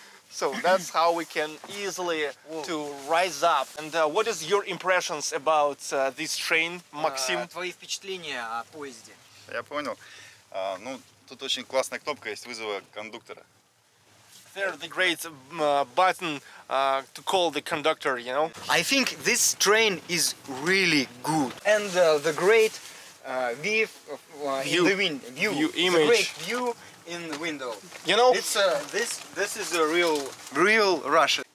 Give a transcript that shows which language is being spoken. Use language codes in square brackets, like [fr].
[en] So that's how we can easily to rise up. And what is your impressions about this train, Максим? [ru] Твои впечатления о поезде. Я понял. Ну, тут очень классная кнопка есть вызова кондуктора. [en] There's the great button to call the conductor, you know. I think this train is really good. And the great image. The great view in the window. You know, it's this is a real Russia.